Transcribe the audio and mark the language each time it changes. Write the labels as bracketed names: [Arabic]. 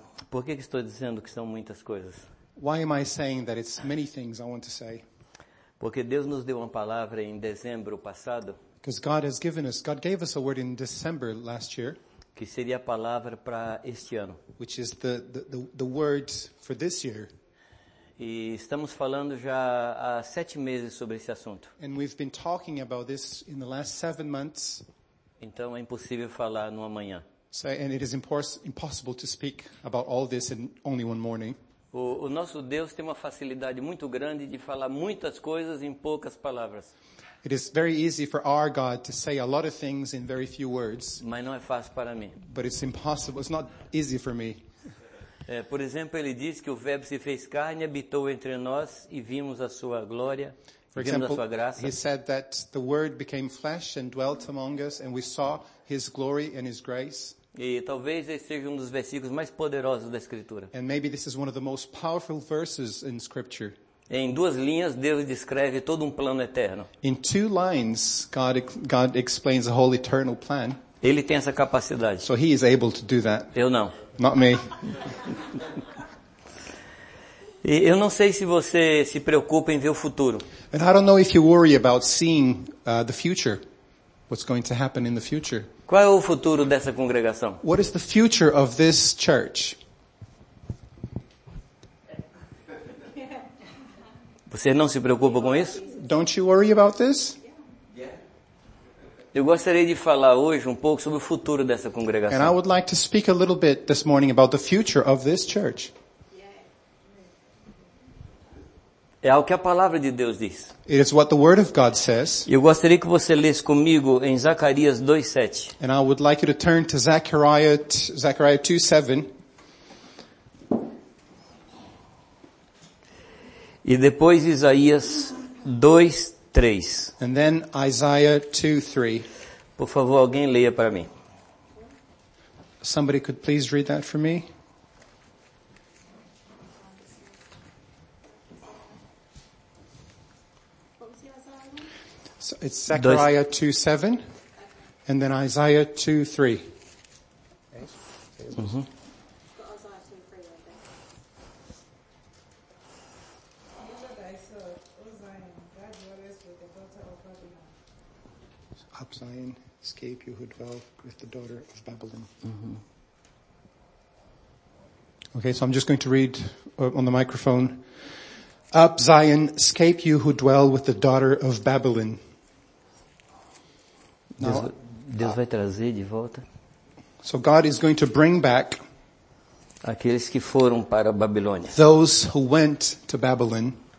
[Portuguese] Por que estou dizendo que são muitas coisas? [English] Why am I saying that it's many things I want to say? [Portuguese] Porque Deus nos deu uma palavra em dezembro passado. [English] Because God has given us, God gave us a word in December last year. [Portuguese] Que seria a palavra para este ano. [English] Which is the word for this year. [Portuguese] E estamos falando já há 7 meses sobre esse assunto. [English] And we've been talking about this in the last 7 months. [Portuguese] Então é impossível falar numa manhã. [English] So, and it is impossible to speak about all this in only one morning. [Portuguese] O nosso Deus tem uma facilidade muito grande de falar muitas coisas em poucas palavras. [English] It is very easy for our God to say a lot of things in very few words. [Portuguese] Mas não é fácil para mim. [English] But it's impossible. It's not easy for me. [Portuguese] Por exemplo, ele diz que o Verbo se fez carne, habitou entre nós e vimos a sua glória, vimos a sua graça. [English] He said that the Word became flesh and dwelt among us and we saw his glory and his grace. [Portuguese] E talvez esse seja um dos versículos mais poderosos da Escritura. [English] And maybe this is one of the most powerful verses in Scripture. [Portuguese] Em duas linhas, Deus descreve todo um plano eterno. [English] In two lines, God explains a whole eternal plan. [Portuguese] Ele tem essa capacidade. [English] So he is able to do that. [Portuguese] Eu não. [English] Not me. [Portuguese] E eu não sei se você se preocupa em ver o futuro. [English] And I don't know if you worry about seeing the future. What's going to happen in the future? [Portuguese] Qual é o futuro dessa congregação? [English] What is the future of this church? [Portuguese] Você não se preocupa com isso? [English] Don't you worry about this? [Portuguese] Eu gostaria de falar hoje um pouco sobre o futuro dessa congregação. [English] And I would like to speak a little bit this morning about the future of this church. [Portuguese] É o que a palavra de Deus diz. [English] It is what the word of God says. [Portuguese] Eu gostaria que você lesse comigo em Zacarias 2:7. [English] And I would like you to turn to Zechariah 2:7. [Portuguese] E depois Isaías 2:3. [English] And then Isaiah 2:3. [Portuguese] Por favor, alguém leia para mim. [English] Somebody could please read that for me. So it's Zechariah 2:7 and then Isaiah 2:3. Up Zion, escape you who dwell with the daughter of Babylon. Mm-hmm. Okay, so I'm just going to read on the microphone. Up Zion, escape you who dwell with the daughter of Babylon. [Portuguese] Now, Deus vai trazer de volta. [English] So God is going to bring back [Portuguese] aqueles que foram para a Babilônia. [English] Those who went to Babylon.